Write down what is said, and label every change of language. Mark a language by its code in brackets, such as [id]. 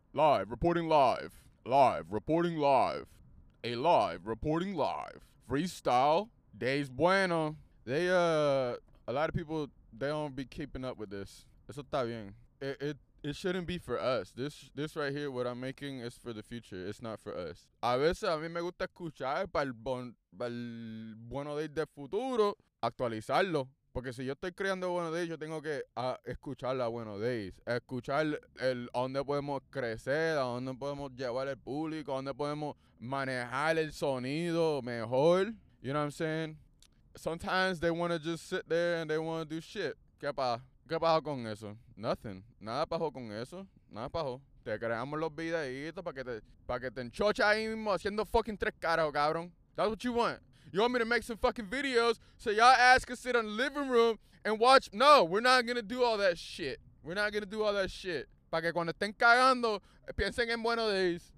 [en] Live, reporting live. A live, reporting live. Freestyle, Days Bueno. A lot of people, they don't be keeping up with this. [es] Eso está bien. [en] It shouldn't be for us. This right here, what I'm making, is for the future. It's not for us. [es] A veces a mí me gusta escuchar para el Bueno Days de futuro, actualizarlo. Porque si yo estoy creando Bueno Days, yo tengo que escuchar la Bueno Days. Escuchar el a dónde podemos crecer, a dónde podemos llevar el público, a dónde podemos manejar el sonido mejor. [en] You know what I'm saying? Sometimes they want to just sit there and they want to do shit. [es] ¿Qué pasa? ¿Qué pasó con eso? [en] Nothing. [es] Nada pasó con eso. Nada pasó. Te creamos los videitos para que te enchoches ahí mismo haciendo fucking tres caras, cabrón. [en] That's what you want. You want me to make some fucking videos so y'all ass can sit in the living room and watch? No, we're not gonna do all that shit. We're not gonna do all that shit. [es] Para que cuando estén cagando, piensen en Bueno Days.